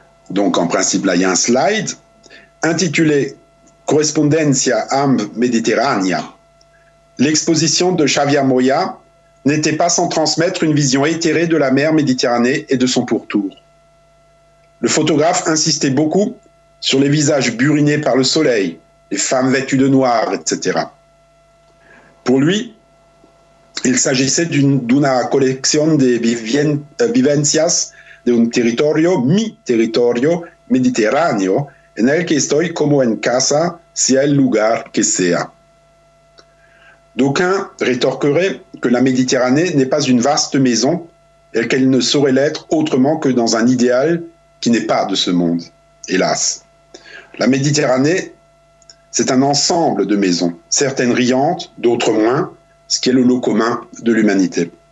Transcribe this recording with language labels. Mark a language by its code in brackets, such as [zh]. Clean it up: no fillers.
[fr] Donc en principe, là, il y a un slide intitulé Correspondencia amb Mediterránea. L'exposition de Xavier Moya n'était pas sans transmettre une vision éthérée de la mer Méditerranée et de son pourtour. Le photographe insistait beaucoup sur les visages burinés par le soleil, les femmes vêtues de noir, etc. Pour lui, il s'agissait d'una collection de [es] vivencias de un territorio, mi territorio, mediterráneo, en el que estoy como en casa, sea el lugar que sea. [fr] D'aucuns rétorqueraient que la Méditerranée n'est pas une vaste maison et qu'elle ne saurait l'être autrement que dans un idéal qui n'est pas de ce monde, hélas. La Méditerranée, c'est un ensemble de maisons, certaines riantes, d'autres moins, ce qui est le lot commun de l'humanité.